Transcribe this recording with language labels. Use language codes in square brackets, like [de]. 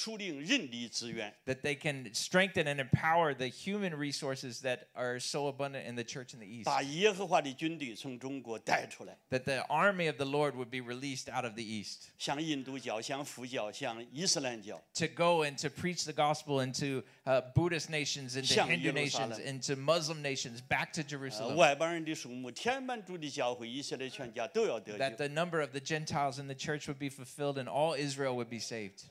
[en] that they can strengthen and empower the human resources that are so abundant in the church in the East. [zh] 把耶和华的军队从中国带出来, [en] that the army of the Lord would be released out of the East. [zh] 像印度教, 像佛教, 像伊斯兰教, [en] to go and to preach the gospel into Buddhist nations, into Hindu nations, into Muslim nations, back to Jerusalem. [zh] 外邦人的数目, 天满主的教会, 以色列全家都要得救, [en] that the number of the Gentiles in the church would be fulfilled and all Israel would be saved.